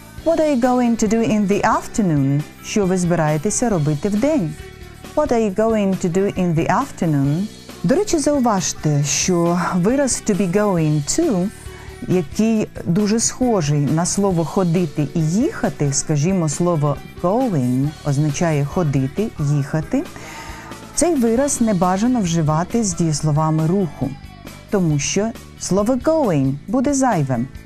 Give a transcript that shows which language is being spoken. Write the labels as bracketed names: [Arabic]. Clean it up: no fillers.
[English] What are you going to do in the afternoon? [Ukrainian] Що ви збираєтеся робити в день? [English] What are you going to do in the afternoon? [Ukrainian] До речі, зауважте, що вираз [English] to be going to, [Ukrainian] який дуже схожий на слово ходити і їхати, скажімо, слово going означає ходити, їхати, цей вираз не бажано вживати з дієсловами руху, тому що слово going буде зайвим.